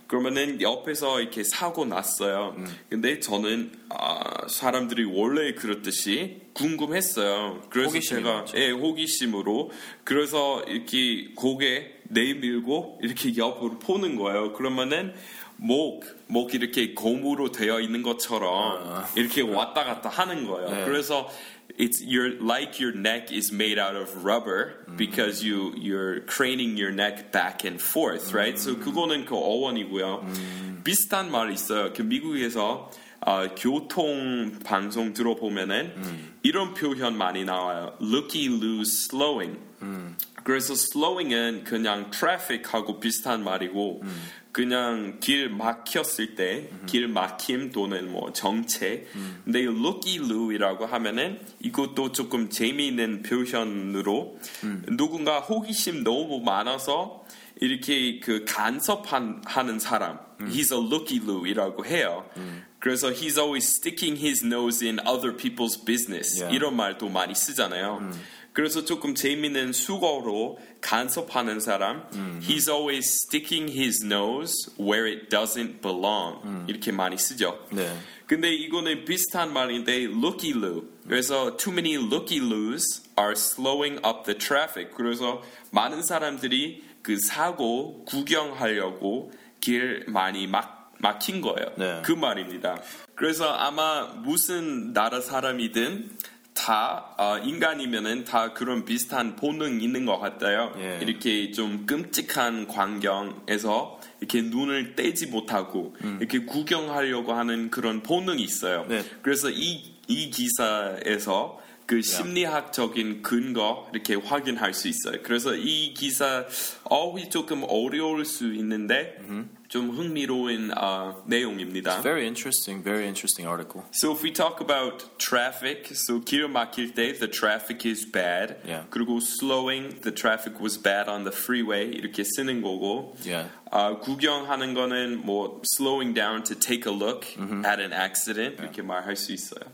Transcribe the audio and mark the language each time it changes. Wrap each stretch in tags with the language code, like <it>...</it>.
<ko>그러면은 옆에서 이렇게 사고 났어요. 근데 저는 사람들이 원래 그렇듯이 궁금했어요. 그래서 호기심이었죠. 제가 예, 호기심으로 그래서 이렇게 고개 내밀고 이렇게 옆으로 보는 거예요. 그러면은 목 이렇게 고무로 되어 있는 것처럼 이렇게 왔다 갔다 하는 거예요. 네.</ko> <en>그래서 It's your like your neck is made out of rubber because you're craning your neck back and forth, right?</en> <ko>So 그거는 그 어원이고요. 비슷한 말 있어요. 그 미국에서 교통 방송 들어보면은 이런 표현 많이 나와요.</ko> <en>Looky loose slowing.</en> <ko>그래서 slowing은 그냥 traffic하고 비슷한 말이고 그냥 길 막혔을 때 길 막힘 또는 뭐 정체 근데 looky-loo이라고 하면은 이것도 조금 재미있는 표현으로 누군가 호기심 너무 많아서 이렇게 그 간섭하는 사람</ko> <en>He's a looky-loo</en> <ko>이라고 해요. 그래서</ko> <en>he's always sticking his nose in other people's business. Yeah.</en> <ko>이런 말도 많이 쓰잖아요. 그래서 조금 재미있는 수거로 간섭하는 사람,</ko> <en>he's always sticking his nose where it doesn't belong.</en> <ko>이렇게 많이 쓰죠. 네. 근데 이거는 비슷한 말인데 looky-loo.</ko> <en>그래서 too many looky-loos are slowing up the traffic.</en> <ko>그래서 많은 사람들이 그 사고 구경하려고 길 많이 막힌 거예요. 네. 그 말입니다. 그래서 아마 무슨 나라 사람이든 다 인간이면은 다 그런 비슷한 본능 있는 것 같아요. 예. 이렇게 좀 끔찍한 광경에서 이렇게 눈을 떼지 못하고 이렇게 구경하려고 하는 그런 본능이 있어요. 네. 그래서 이 기사에서 그 심리학적인 근거 이렇게 확인할 수 있어요. 그래서 이 기사 어휘 조금 어려울 수 있는데 좀 흥미로운 내용입니다.</ko> <en>It's very interesting, very interesting article. So if we talk about traffic, so</en> <ko>길 막힐 때</ko> <en>the traffic is bad. Yeah. 그리고 slowing, the traffic was bad on the freeway</en> <ko>이렇게 쓰는 거고.</ko> <en>Yeah.</en> <ko>구경하는 거는 뭐</ko> <en>slowing down to take a look at an accident</en> <ko>이렇게 말할 수 있어요.</ko>